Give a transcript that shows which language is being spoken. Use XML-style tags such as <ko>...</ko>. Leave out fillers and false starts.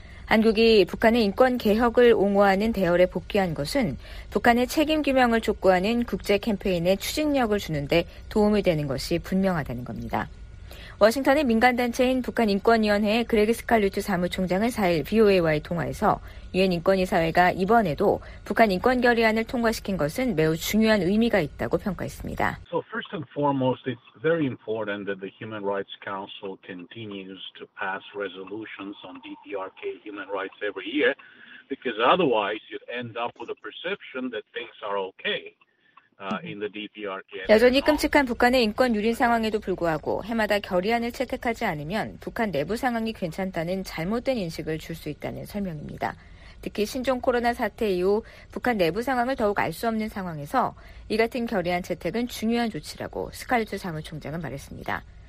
<ko>한국이 북한의 인권 개혁을 옹호하는 대열에 복귀한 것은 북한의 책임 규명을 촉구하는 국제 캠페인의 추진력을 주는 데 도움이 되는 것이 분명하다는 겁니다. 워싱턴의 민간단체인 북한인권위원회의 그레그 스칼루트 사무총장은 4일 VOA와의 통화에서 유엔 인권이사회가 이번에도 북한 인권 결의안을 통과시킨 것은 매우 중요한 의미가 있다고 평가했습니다.</ko> <en>So first and foremost, it's very important that the Human Rights Council continues to pass resolutions on DPRK human rights every year, because otherwise you end up with a perception that things are okay.</en> <ko>여전히 끔찍한 북한의 인권 유린 상황에도 불구하고 해마다 결의안을 채택하지 않으면 북한 내부 상황이 괜찮다는 잘못된 인식을 줄 수 있다는 설명입니다. 특히 신종 코로나 사태 이후 북한 내부 상황을 더욱 알 수 없는 상황에서 이 같은 결의안 채택은 중요한 조치라고 스칼리트 사무총장은 말했습니다.</ko>